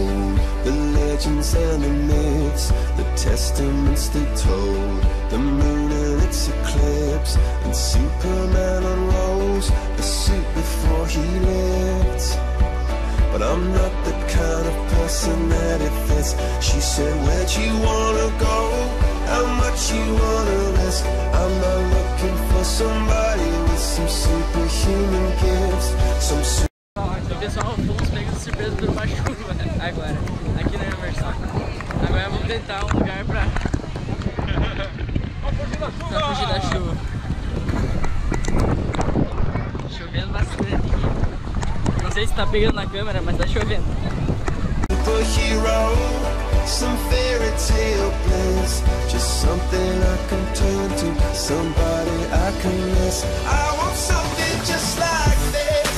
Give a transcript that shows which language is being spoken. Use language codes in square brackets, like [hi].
[en] And the myths, the testaments they told, the moon and its eclipse, and Superman unrolls the suit before he lived. But I'm not the kind of person that it fits. She said, where'd you wanna go? How much you wanna risk? I'm not looking for somebody with some superhuman gifts, some super. [pt] Pessoal, fomos pegos de surpresa por uma chuva agora, aqui na Universal. Agora vamos tentar um lugar pra fugir da chuva. Chovendo bastante aqui. Não sei se tá pegando na câmera, mas tá chovendo. [en] Superhero, some fairy tale bliss, just something I can turn to, somebody I can miss. I want something just like this.